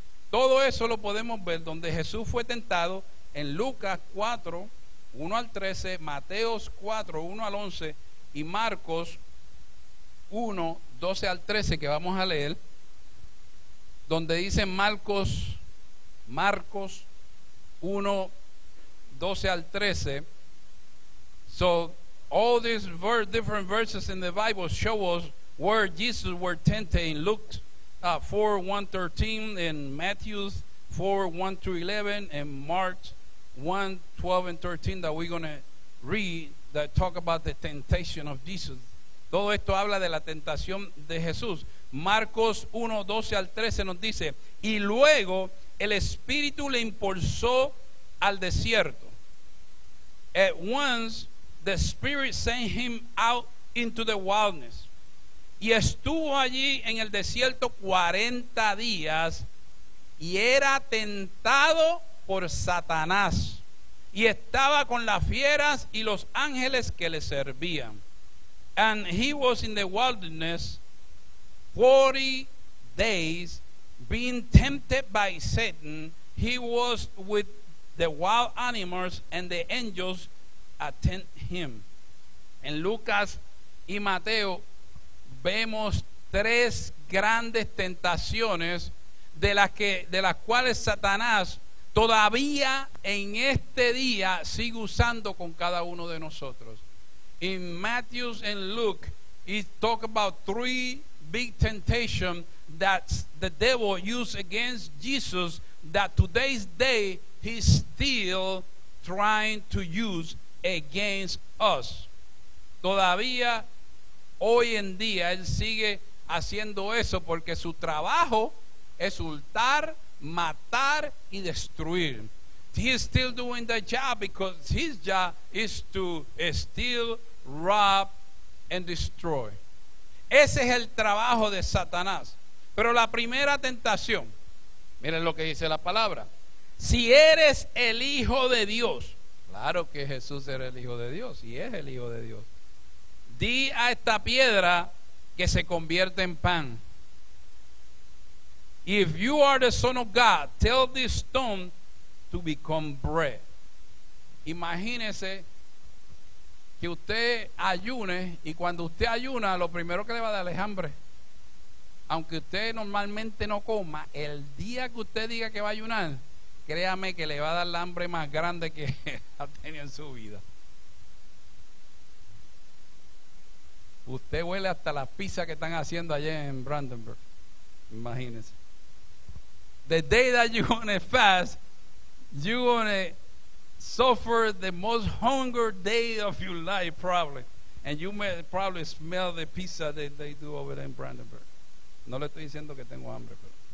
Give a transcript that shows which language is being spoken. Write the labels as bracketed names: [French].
[Spanish] Todo eso lo podemos ver donde Jesús fue tentado en Lucas 4, 1 al 13, Mateos 4, 1 al 11 y Marcos 1, 12 al 13, que vamos a leer, donde dice Marcos 1, 12 al 13. [English] So all these different verses in the Bible show us where Jesus were tempted in Luke 4:1-13, in Matthew 4:1-11, and Mark 1:12-13 that we're going to read, that talk about the temptation of Jesus. [Spanish] Todo esto habla de la tentación de Jesús. Marcos 1:12-13 nos dice, y luego el Espíritu le impulsó al desierto. [English] At once the Spirit sent him out into the wilderness. [Spanish] Y estuvo allí en el desierto 40 días y era tentado por Satanás. Y estaba con las fieras y los ángeles que le servían. [English] And he was in the wilderness 40 days being tempted by Satan. He was with the wild animals and the angels attend him. [Spanish] En Lucas y Mateo vemos tres grandes tentaciones de las cuales Satanás todavía en este día sigue usando con cada uno de nosotros. [English] In Matthew and Luke, it talk about three big temptations that the devil used against Jesus that today's day he's still trying to use against us. [Spanish] Todavía hoy en día él sigue haciendo eso porque su trabajo es hurtar, matar y destruir. [English] He's still doing that job because his job is to steal, rob and destroy. [Spanish] Ese es el trabajo de Satanás. Pero la primera tentación, miren lo que dice la palabra. Si eres el Hijo de Dios, claro que Jesús era el Hijo de Dios y es el Hijo de Dios. Di a esta piedra que se convierta en pan. [English] If you are the Son of God, tell this stone to become bread. [Spanish] Imagínese que usted ayune y cuando usted ayuna, lo primero que le va a dar es hambre. Aunque usted normalmente no coma, el día que usted diga que va a ayunar, créame que le va a dar el hambre más grande que ha tenido en su vida. Usted huele hasta las pizzas que están haciendo allá en Brandenburg. Imagínese. [English] The day that you're going to fast, you're going to suffer the most hunger day of your life, probably. And you may probably smell the pizza that they do over there in Brandenburg. [Spanish] No le estoy diciendo que tengo hambre, pero.